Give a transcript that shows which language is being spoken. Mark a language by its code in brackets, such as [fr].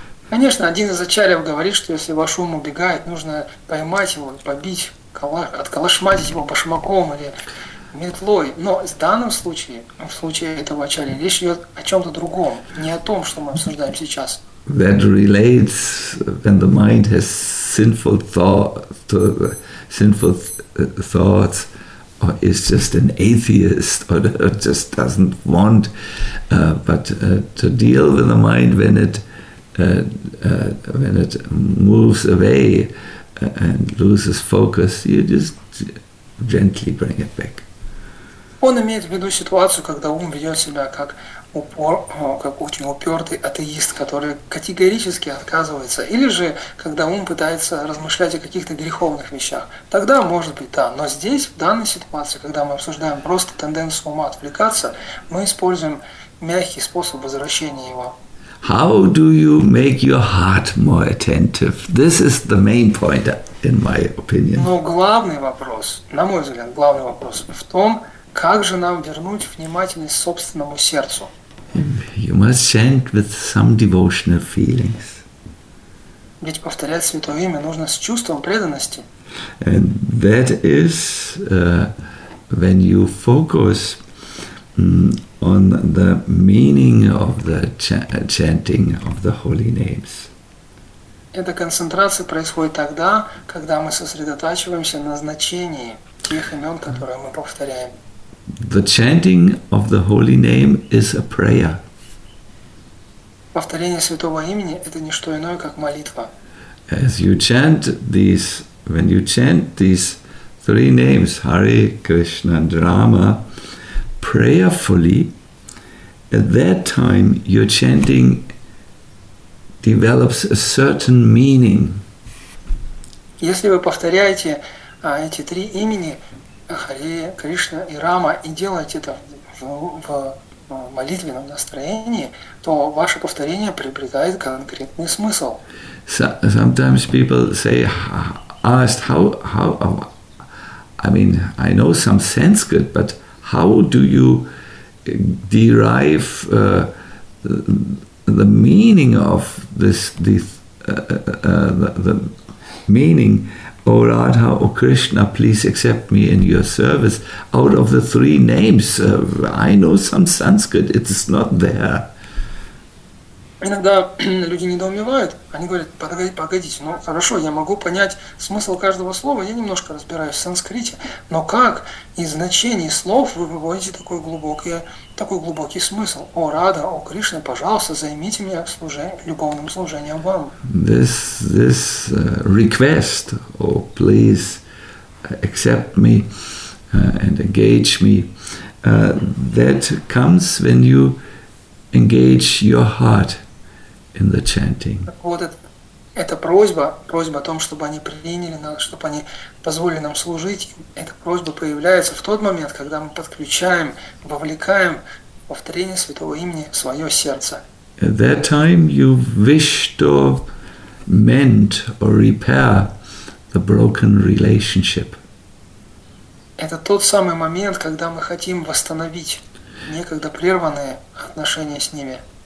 [ru] Конечно, один из ачарьев говорит, что если ваш ум убегает, нужно поймать его, побить, отколошматить его башмаком или метлой. Но в данном случае, в случае этого ачарья, речь идет о чем-то другом, не о том, что мы обсуждаем сейчас. [en] That relates when the mind has sinful thoughts, or is just an atheist, or just doesn't want. But to deal with the mind when it moves away and loses focus, you just gently bring it back. [ru] Он имеет в виду ситуацию, когда ум ведет себя как очень упертый атеист, который категорически отказывается, или же когда ум пытается размышлять о каких-то греховных вещах. Тогда может быть, да. Но здесь, в данной ситуации, когда мы обсуждаем просто тенденцию ума отвлекаться, мы используем мягкий способ возвращения его. [en] How do you make your heart more attentive? This is the main point, in my opinion. [ru] Но главный вопрос, на мой взгляд, главный вопрос в том, как же нам вернуть внимательность собственному сердцу? [en] You must chant with some devotional feelings. [ru] Ведь повторять Святое Имя нужно с чувством преданности. [en] And that is when you focus on the meaning of the chanting of the holy names. [ru] Эта концентрация происходит тогда, когда мы сосредотачиваемся на значении тех имен, которые мы повторяем. [en] The chanting of the holy name is a prayer. [ru] Повторение святого имени – это не что иное, как молитва. [en] As you chant these, when you chant these three names, Hare Krishna and Rama, prayerfully, at that time your chanting develops a certain meaning. [ru] Если вы повторяете эти три имени, Хари, Кришна и Рама, и делать это в молитвенном настроении, то ваше повторение приобретает конкретный смысл. [en] Sometimes people say, asked how I mean, I know some Sanskrit, but how do you derive the meaning of the meaning, O Radha, O Krishna, please accept me in your service, out of the three names? I know some Sanskrit, it is not there. [ru] Иногда люди недоумевают, они говорят, погодите, ну хорошо, я могу понять смысл каждого слова, я немножко разбираюсь в санскрите, но как из значений слов вы выводите такой глубокий смысл? О, Рада, о, Кришна, пожалуйста, займите меня любовным служением вам. [en] This request, oh please accept me and engage me, that comes when you engage your heart in the chanting. [ru] Вот это просьба о том, чтобы они приняли нас, чтобы они позволили нам служить. Эта просьба появляется в тот момент, когда мы подключаем, вовлекаем повторение святого имени в своё сердце. [en] At that time you wish to mend or repair the broken relationship. [ru] Это тот самый момент, когда мы хотим восстановить некогда прерванные отношения с ними.